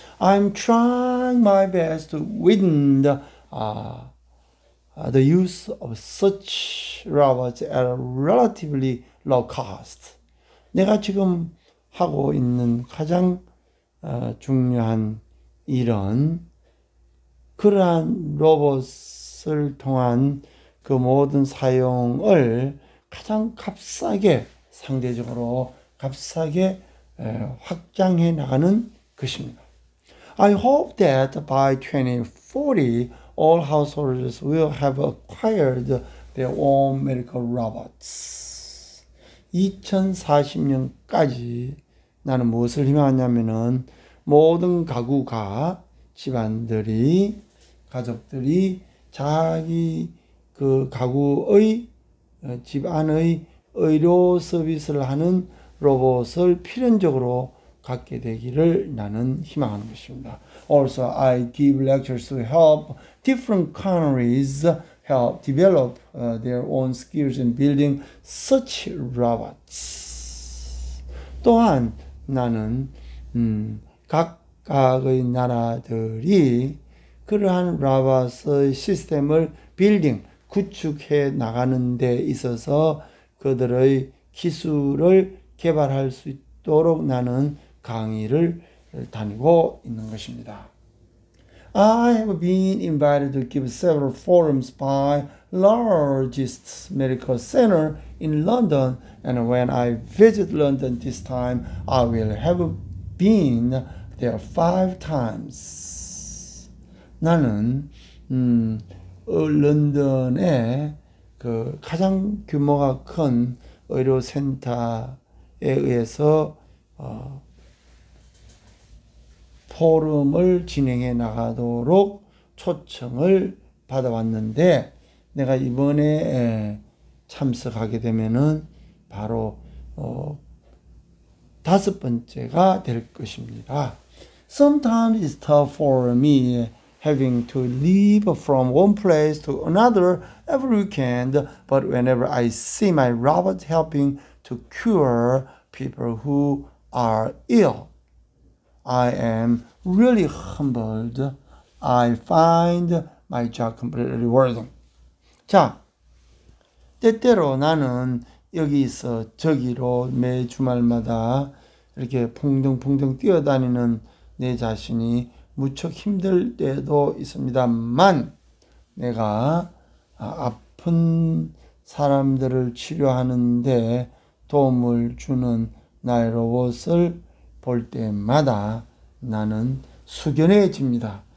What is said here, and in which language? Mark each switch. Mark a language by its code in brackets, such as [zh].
[en] I'm trying my best to win the use of such robots at a relatively low cost. [ko] 내가 지금 하고 있는 가장 중요한 일은 그러한 로봇을 통한 그 모든 사용을 가장 값싸게, 상대적으로 값싸게 확장해 나가는 것입니다. [en] I hope that by 2040, all households will have acquired their own medical robots. [ko] 2040년까지 나는 무엇을 희망하냐면은 모든 가구가, 집안들이, 가족들이 자기 그 가구의, 집안의 의료 서비스를 하는 로봇을 필연적으로 갖게 되기를 나는 희망하는 것입니다. [en] Also, I give lectures to help different countries help develop their own skills in building such robots. [ko] 또한 나는 각각의 나라들이 그러한 로봇의 시스템을 빌딩, 구축해 나가는 데 있어서 그들의 기술을 개발할 수 있도록 나는 강의를 다니고 있는 것입니다. [en] I have been invited to give several forums by largest medical center in London, and when I visit London this time, I will have been there 5 times. [ko] 나는 런던의 그 가장 규모가 큰 의료 센터에 의해서 포럼을 진행해 나가도록 초청을 받아왔는데, 내가 이번에 참석하게 되면은 바로 다섯 번째가 될 것입니다. [en] Sometimes it's tough for me having to leave from one place to another every weekend, but whenever I see my robot helping to cure people who are ill, I am really humbled. I find my job completely rewarding. [ko] 자, 때때로 나는 여기서 저기로 매 주말마다 이렇게 퐁둥퐁둥 뛰어다니는 내 자신이 무척 힘들 때도 있습니다만, 내가 아픈 사람들을 치료하는데 도움을 주는 나의 로봇을 볼 때마다 나는 숙연해집니다.